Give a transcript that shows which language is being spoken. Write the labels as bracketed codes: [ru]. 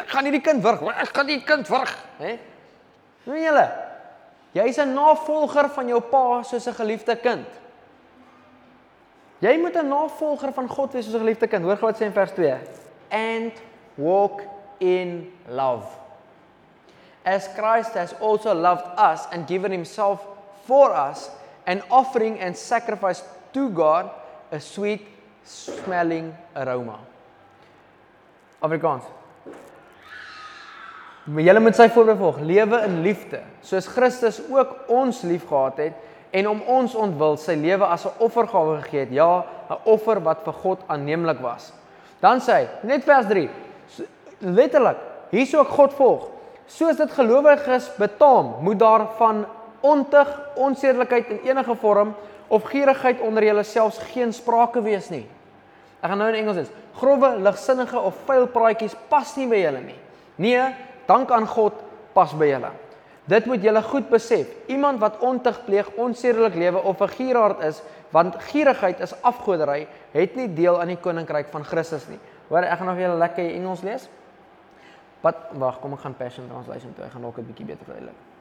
[af] Ek gaan hierdie kind wurg. Ek gaan hierdie kind wurg, né? Nee? Sien julle? Jy is 'n navolger van jou pa soos 'n geliefde kind. Jy moet 'n navolger van God wees soos 'n geliefde kind. Hoor wat sê in vers 2. [en] And walk in love. As Christ has also loved us and given himself for us, an offering and sacrifice to God, a sweet smelling aroma. [af] Afrikaans. Julle moet sy voorbeeld volg, lewe in liefde, soos Christus ook ons lief gehad het, en om ons ontwil sy lewe as 'n offergawe gegee het, ja, 'n offer wat vir God aanneemlik was. Dan sê hy, net vers 3, letterlik, hier ook God volg, soos dit gelowiges betaam, moet daar van ontug, onsedelikheid in enige vorm, of gierigheid onder julle selfs geen sprake wees nie. Ek gaan nou in Engels is, grove, ligsinnige of vuil praatjies pas nie by julle nie. Nee, dank aan God, pas by julle. Dit moet julle goed besef. Iemand wat ontug pleeg, onsedelik lewe of 'n gieraard is, want gierigheid is afgoderry, het nie deel aan die koninkryk van Christus nie. Hoor, ek gaan nog julle lekker Engels lees. Wag, kom ek gaan Passion Translation toe. Ek gaan ook 'n bietjie beter verduidelik.